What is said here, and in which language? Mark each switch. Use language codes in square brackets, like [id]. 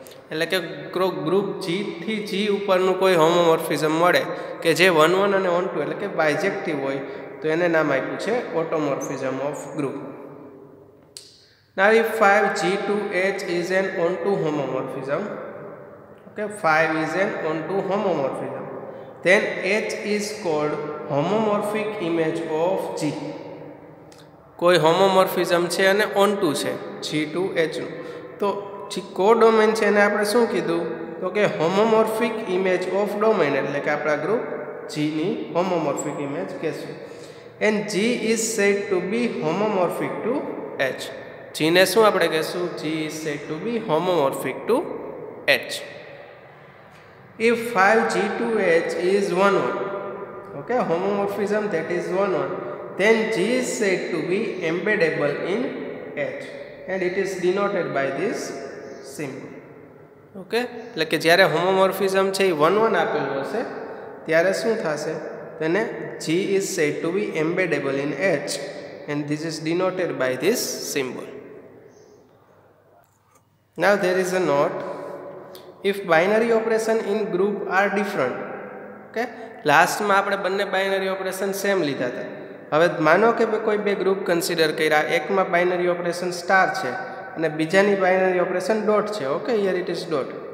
[gu] એટલે કે ગ્રુપ જી થી જી ઉપરનું કોઈ હોમોમોર્ફિઝમ મળે કે જે વન વન અને ઓન ટુ એટલે કે બાયજેક્ટિવ હોય, તો એને નામ આપ્યું છે ઓટોમોર્ફિઝમ of group. [en] Now if five G to H is an onto homomorphism. Okay, five is an onto homomorphism, then H is called homomorphic image of G. [gu] કોઈ હોમોમોર્ફિઝમ છે અને ઓન ટુ છે G ટુ H નું, તો જે કો domain છે એને આપણે શું કીધું? તો કે હોમોમોર્ફિક ઇમેજ ઓફ ડોમેન, એટલે કે આપણા ગ્રુપ G ની હોમોમોર્ફિક ઇમેજ કહેશું. [en] And G is said to be homomorphic to H. [gu] G ને શું આપણે કહેશું? [en] G is said to be homomorphic to H. If 5 G to H is 1 1, okay, homomorphism that is 1 1, then G is said to be embeddable in H, and it is denoted by this symbol. [gu] Okay, એટલે કે જ્યારે હોમોમોર્ફિઝમ છે એ 1 1 આપેલું હશે ત્યારે શું થશે? તેને [en] G is said to be embeddable in H, and this is denoted by this symbol. Now there is a note. If binary operation in group are different, [gu] okay, લાસ્ટમાં આપણે બંને બાઇનરી ઓપરેશન સેમ લીધા હતા. હવે માનો કે કોઈ બે ગ્રુપ કન્સિડર કર્યા, એકમાં બાઇનરી ઓપરેશન સ્ટાર છે અને બીજાની બાઇનરી ઓપરેશન ડોટ છે. Okay, [en] Here it is dot.